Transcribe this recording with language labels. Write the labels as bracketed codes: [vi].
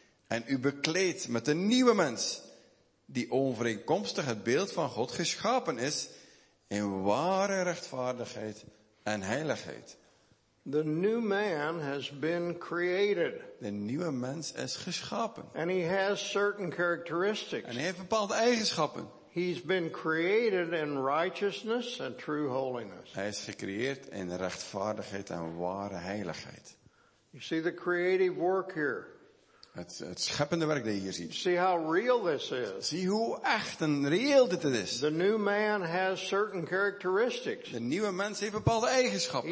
[nl] En u bekleedt met een nieuwe mens, die overeenkomstig het beeld van God geschapen is, in ware rechtvaardigheid en heiligheid. [en] The new man has been created. [nl] De nieuwe mens is geschapen. [en] And he has certain characteristics. [nl] En hij heeft bepaalde eigenschappen. [en] He's been created in righteousness and true holiness. [nl] Hij is gecreëerd in rechtvaardigheid en ware heiligheid. [en] You see the creative work here. [nl] Het scheppende werk dat je hier ziet. [en] See how real this is. [nl] Zie hoe echt en reëel dit is. [en] The new man has certain characteristics. [nl] De nieuwe mens heeft bepaalde eigenschappen.